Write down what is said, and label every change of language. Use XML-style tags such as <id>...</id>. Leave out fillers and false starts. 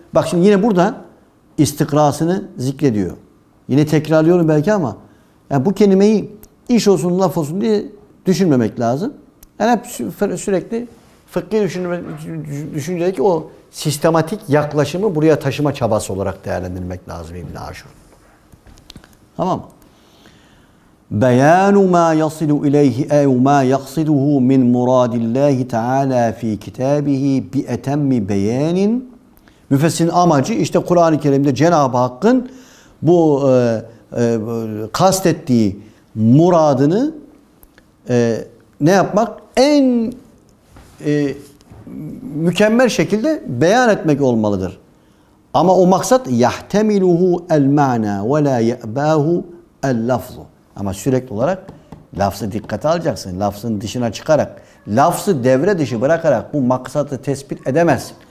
<tr>Bak şimdi yine burada istikrasını zikrediyor. Yine tekrarlıyorum belki ama yani bu kelimeyi iş olsun laf olsun diye düşünmemek lazım. Yani hep sürekli fıkhi düşüncedeki o sistematik yaklaşımı buraya taşıma çabası olarak değerlendirmek lazım İbn-i Aşur. Tamam mı?</tr> <ar>بَيَانُ مَا يَصِلُ اِلَيْهِ اَوْ مَا يَقْصِدُهُ مِنْ مُرَادِ اللّٰهِ تَعَالَى ف۪ي كِتَابِهِ بِاَتَمِّ بَيَانٍ</ar> <tr>Müfessirin amacı işte Kur'an-ı Kerim'de Cenab-ı Hakk'ın bu kastettiği muradını ne yapmak? En mükemmel şekilde beyan etmek olmalıdır. Ama o maksat</tr> <ar>يَحْتَمِلُهُ الْمَعْنَى وَلَا يَأْبَاهُ الْلَفْظُ</ar> <tr>Ama sürekli olarak lafzı dikkate alacaksın. Lafzın dışına çıkarak, lafzı devre dışı bırakarak bu maksatı tespit edemezsin.</tr>